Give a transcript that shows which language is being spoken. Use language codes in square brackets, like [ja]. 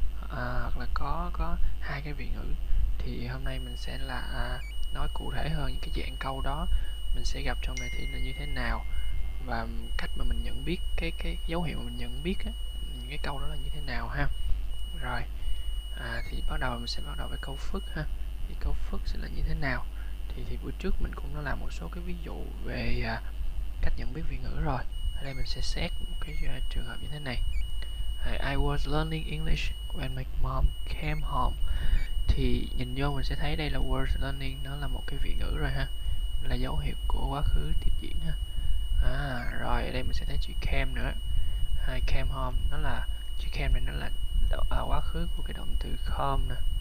[vi] Hoặc là có hai cái vị ngữ. Thì hôm nay mình sẽ là nói cụ thể hơn những cái dạng câu đó mình sẽ gặp trong đề thi là như thế nào, và cách mà mình nhận biết cái dấu hiệu mà mình nhận biết á, những cái câu đó là như thế nào ha. Rồi, thì bắt đầu mình sẽ bắt đầu với câu phức ha. Thì câu phức sẽ là như thế nào? Thì bữa trước mình cũng đã làm một số cái ví dụ về cách nhận biết vị ngữ rồi. Ở đây mình sẽ xét một cái trường hợp như thế này. [en] I was learning English when my mom came home. [vi] Thì nhìn vô mình sẽ thấy đây là was learning, nó là một cái vị ngữ rồi ha, là dấu hiệu của quá khứ tiếp diễn ha. Rồi ở đây mình sẽ thấy chữ came nữa. I came home, nó là chữ came này, nó là quá khứ của cái động từ come nè.